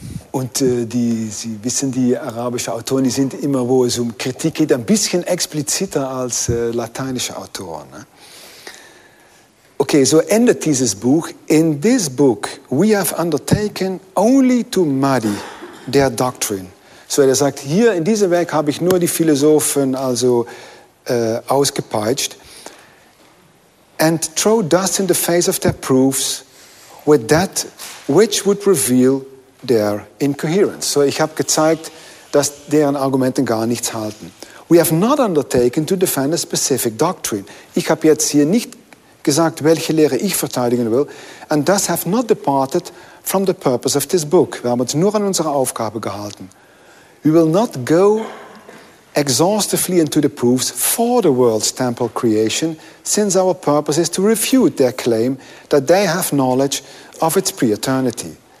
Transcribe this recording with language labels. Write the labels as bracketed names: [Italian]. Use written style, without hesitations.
[German] Und Sie wissen, die arabischen Autoren, die sind immer, wo es um Kritik geht, ein bisschen expliziter als lateinische Autoren. Okay, so endet dieses Buch. [English] In this book we have undertaken only to muddy their doctrine. [German] So er sagt, hier in diesem Werk habe ich nur die Philosophen also ausgepeitscht. [English] And throw dust in the face of their proofs with that which would reveal their incoherence. [German] So ich habe gezeigt, dass deren Argumenten gar nichts halten. [English] We have not undertaken to defend a specific doctrine. [German] Ich habe jetzt hier nicht gesagt, welche Lehre ich verteidigen will, [English] and thus have not departed from the purpose of this book. [German] Wir haben uns nur an unsere Aufgabe gehalten. [English] We will not go exhaustively into the proofs for the world's temple creation, since our purpose is to refute their claim that they have knowledge of its pre-eternity.